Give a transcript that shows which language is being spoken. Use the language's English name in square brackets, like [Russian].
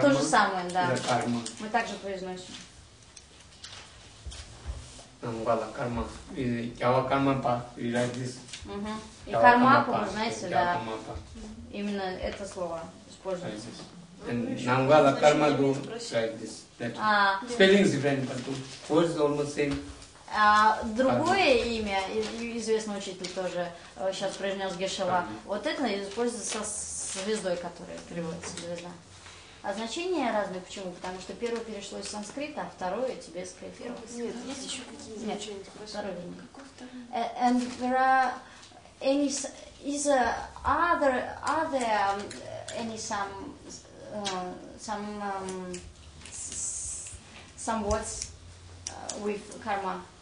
[Russian] То же самое, да. [English] It's a karma. [Russian] Мы также произносим. [Tibetan] Намвала карма. И ява карма па. [English] You like this? [Russian] И карма па, вы знаете, да. Именно это слово используется. [English] And [Tibetan] намвала карма ду. [English] Like this. That. Spelling is different, but the words is almost same. [Russian] А другое имя, известный учитель тоже сейчас произнес Гешела, вот это используется со звездой, которая переводится, звезда. А значения разные, почему? Потому что первое перешло из санскрита, а второе тибетское переводится. Нет, есть еще какие-то значения? Нет, второе имя. [English] And there are any, is a, are there any some words with karma?